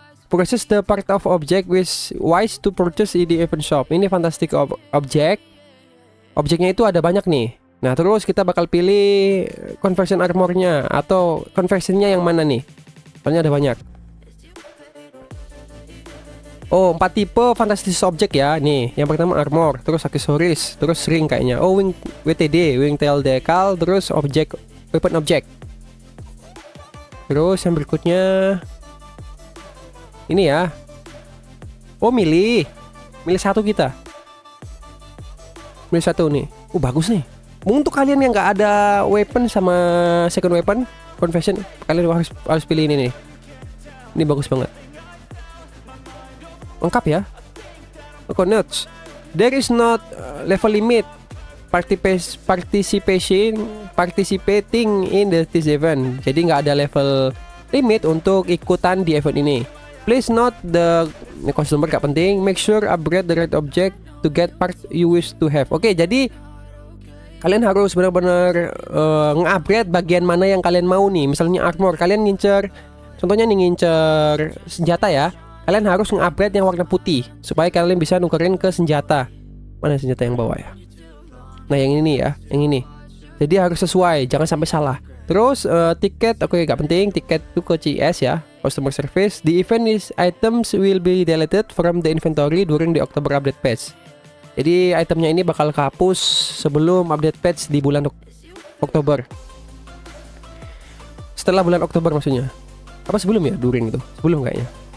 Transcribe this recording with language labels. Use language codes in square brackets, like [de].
[en] process the part of object which wise to purchase in the event shop. [id] Ini fantastic object. Objeknya itu ada banyak nih. Nah, terus kita bakal pilih conversion armornya atau conversionnya yang mana nih? Soalnya ada banyak. Oh, 4 tipe fantastic object ya. Nih, yang pertama armor, terus aksesoris, terus ring kayaknya. Oh, wing WTD, wing tail decal, terus object, weapon object. Terus yang berikutnya ini ya. Oh, milih. Milih satu kita. Milih satu nih. Bagus nih. Untuk kalian yang enggak ada weapon sama second weapon, confession, kalian harus pilih ini nih. Ini bagus banget. Lengkap ya. Okay, notes. [en] There is not level limit participating in this event. [id] Jadi enggak ada level limit untuk ikutan di event ini. [en] Please note the customer [id] enggak penting, [en] make sure upgrade the right object to get part you wish to have. [id] Okay, jadi kalian harus benar-benar nge-upgrade bagian mana yang kalian mau nih. Misalnya armor, kalian ngincer, contohnya nih ngincer senjata ya. Kalian harus nge-upgrade yang warna putih supaya kalian bisa nukerin ke senjata. Mana senjata yang bawah ya? Nah, yang ini ya, yang ini. Jadi harus sesuai, jangan sampai salah. Terus tiket, okay, gak penting. Tiket itu ke CS ya, customer service. [en] The event is items will be deleted from the inventory during the October update patch. [id] Jadi itemnya ini bakal kehapus sebelum update patch di bulan Oktober. Setelah bulan Oktober maksudnya. Apa sebelum ya during itu? Sebelum kayaknya.